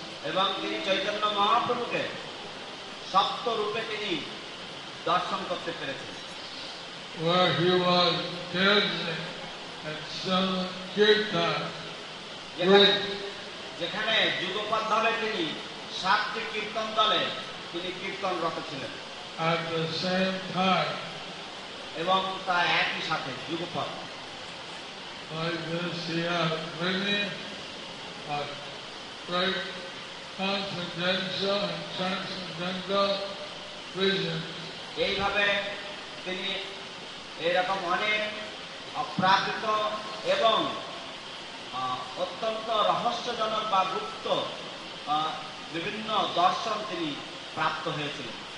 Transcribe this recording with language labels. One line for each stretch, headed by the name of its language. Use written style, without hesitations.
Bangla: এবং তিনি চৈতন্য মহাপ্রভুকে সপ্ত রূপে তিনি দর্শন করতে পেরেছেন।
English: Where he was dancing at some kirtan
Bangla: with যেখানে যুগপৎ ভাবে তিনি সাতটি কীর্তন দলে তিনি কীর্তন রত ছিলেন।
English: At the same time
Bangla: এবং তা একই সাথে যুগপৎ
English: by this he had many great transcendental and transcendental visions.
Bangla: এইভাবে তিনি এইরকম অনেক অপ্রাকৃত এবং অত্যন্ত রহস্যজনক বা গুপ্ত বিভিন্ন দর্শন তিনি প্রাপ্ত হয়েছিলেন।